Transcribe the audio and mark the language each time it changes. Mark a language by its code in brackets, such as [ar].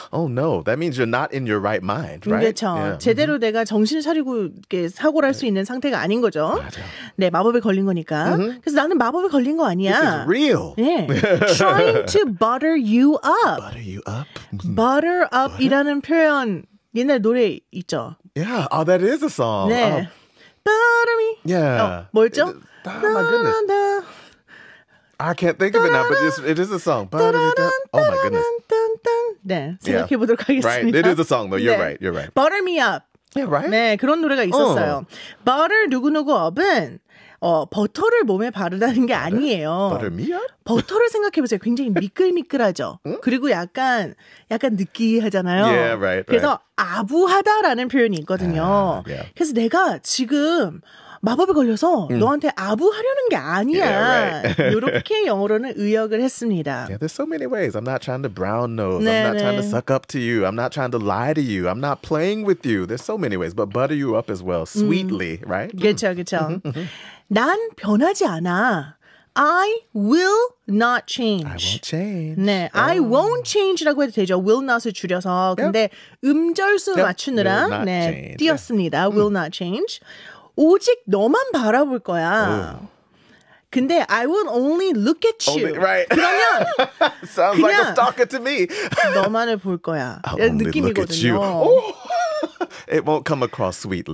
[en] Oh no, that means you're not in your right mind. Right? [ko] 그렇죠. Yeah. 제대로 내가 정신을 차리고 이렇게 사고를 할 수 있는 상태가 아닌 거죠. 맞아. 네, 마법에 걸린 거니까. [en] Mm-hmm. [ko] 그래서 나는 마법에 걸린 거 아니야. [en] This is real. 네. Trying to butter you up. Butter you up? [ko] Butter up 이라는 표현 옛날 노래 있죠. [en] Yeah, oh, that is a song. [ko] 네. [en] Oh. Butter me. Yeah. [ko] 어, 뭐였죠? [en] Oh, my goodness. I can't think of it now, but it is a song. Butter me. Da. Oh, my goodness. [ko] 네, 생각해보도록 yeah. 하겠습니다. [en] Right. It is a song, though. You're 네. right. You're right. Butter me up. Yeah, right? [ko] 네, 그런 노래가 있었어요. Butter 누구누구 up은 버터를 몸에 바르다는 게 [en] butter? [ko] 아니에요. [en] Butter me up? [ko] 버터를 생각해보세요. 굉장히 미끌미끌하죠. 응? 그리고 약간 느끼하잖아요. [en] Yeah, right. [ko] 그래서 [en] right. [ko] 아부하다라는 표현이 있거든요. [en] Yeah. [ko] 그래서 내가 지금 마법에 걸려서 너한테 아부하려는 게 아니야. [en] Yeah, right. [ko] 이렇게 영어로는 의역을 했습니다. [en] Yeah, there's so many ways. I'm not trying to brown nose. 네, I'm not [ko] 네. [en] trying to suck up to you. I'm not trying to lie to you. I'm not playing with you. There's so many ways. But butter you up as well, sweetly, right? [ko] 그렇죠, 그렇죠. 난 변하지 않아. [en] I will not change. I won't change. [ko] 네, [en] I won't change [ko] 라고 해도 되죠. Will not을 줄여서. 근데 음절수 맞추느라 네, 띄었습니다. [en] Will not change. [ko] 오직 너만 바라볼 거야. [en] Ooh. 근데 I will only look at you. Only, right. [ko] 그러면 [en] Sounds [ko] 그냥 [en] like a stalker to me. [ko] 너만을 볼 거야. [en] I'll only [ko] 느낌이거든요. [en] Look at you. Oh. It won't come across sweetly.